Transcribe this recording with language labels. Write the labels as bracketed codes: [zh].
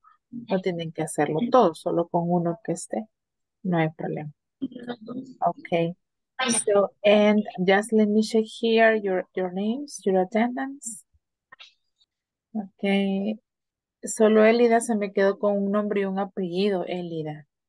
[es] No tienen que hacerlo todo, solo con uno que esté, no hay problema. Ok. [en] So, and just let me check here your names, your attendance. Okay. [es] Solo Elida se me quedó con un nombre y un apellido, Elida.